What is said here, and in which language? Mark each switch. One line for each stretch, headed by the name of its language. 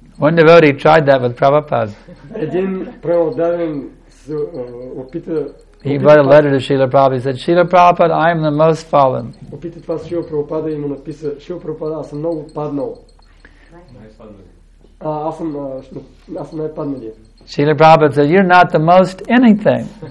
English: One devotee tried that with Prabhupada.
Bulgarian: Един преводавен се опита.
English: He wrote a letter to Srila Prabhupada. He said, Srila Prabhupada, I am the most fallen.
Bulgarian: Опита това с Шрила Прабхупада и му написа, Шрила Прабхупада, аз съм много паднал. Аз съм най-падналия.
English: Srila Prabhupada said, you're not the most anything.